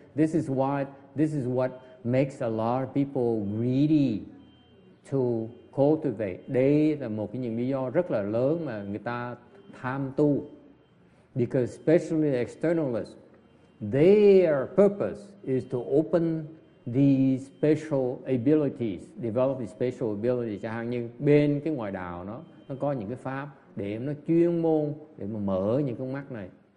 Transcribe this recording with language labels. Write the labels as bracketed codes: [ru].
[en] This is what makes a lot of people greedy to cultivate. [vi] Đây là một cái những lý do rất là lớn mà người ta tham tu. [en] Because especially the externalists, their purpose is to open these special abilities, develop these special abilities. [vi] Chẳng hạn như bên cái ngoại đạo nó có những cái pháp để nó chuyên môn để mà mở những con mắt này.